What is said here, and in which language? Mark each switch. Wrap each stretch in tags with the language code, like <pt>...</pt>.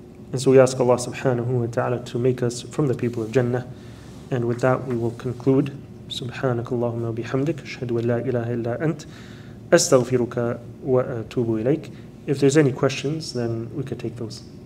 <en>And so we ask Allah subhanahu wa ta'ala to make us from the people of Jannah. And with that, we will conclude.</en> <ar>سبحانك اللهم وبحمدك أشهد أن لا إله إلا أنت أستغفرك وأتوب إليك.</ar> <en>If there's any questions, then we could take those.</en>